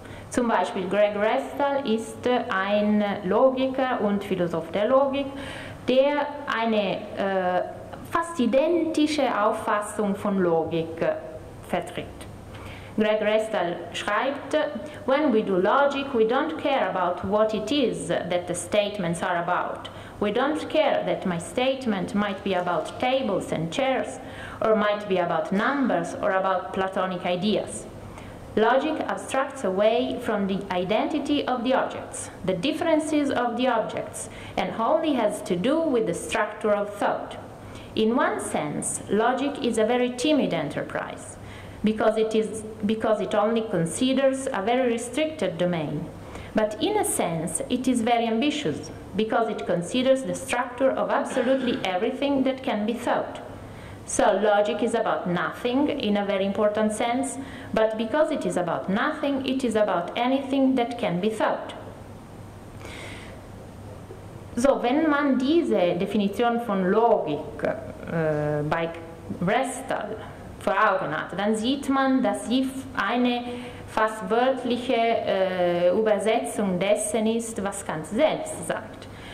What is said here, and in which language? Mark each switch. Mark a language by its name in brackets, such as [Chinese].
[German] Zum Beispiel Greg Restall ist ein Logiker und Philosoph der Logik, der eine fast identische Auffassung von Logik vertritt. [English] Greg Restall [German] schreibt, [English] when we do logic, we don't care about what it is that the statements are about. We don't care that my statement might be about tables and chairs, or might be about numbers, or about Platonic ideas. Logic abstracts away from the identity of the objects, the differences of the objects, and only has to do with the structure of thought. In one sense, logic is a very timid enterprise, because it only considers a very restricted domain. But in a sense, it is very ambitious, because it considers the structure of absolutely everything that can be thought. So logic is about nothing in a very important sense, but because it is about nothing, it is about anything that can be thought. [German] So wenn man diese Definition von Logik bei Restall vor Augen hat, dann sieht man, dass sie eine fast wörtliche Übersetzung dessen ist, was Kant selbst sagt.